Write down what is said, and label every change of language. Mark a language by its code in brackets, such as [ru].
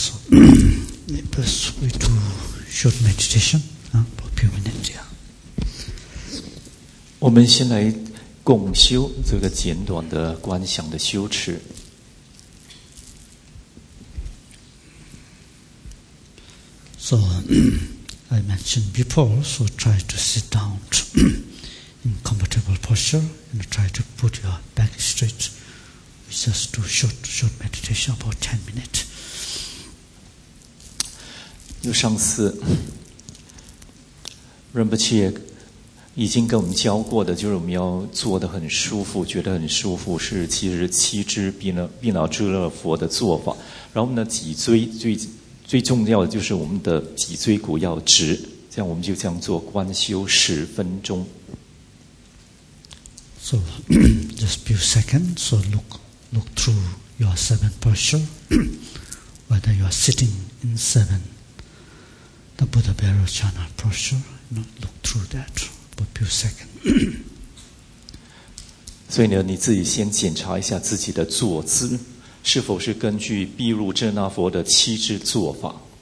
[en] Let us go to short meditation for a few minutes. [zh] 我们先来共修这个简短的观想的修持。 [en] So I mentioned before, so try to sit down in comfortable posture and try to put your back straight. We just do short meditation about 10 minutes. [zh] 就上次仁波切已经跟我们教过的，就是我们要坐得很舒服，觉得很舒服，是其实七支毗那遮勒佛的做法。然后我们的脊椎最最重要的就是我们的脊椎骨要直，这样我们就叫做观修十分钟。 [en] So just few seconds. So look through your seven posture. Whether you are sitting in seven, the Buddha Bearer Chana posture, not look through that for few seconds. [zh] 所以呢，你自己先检查一下自己的坐姿，是否是根据毗卢遮那佛的七支坐法。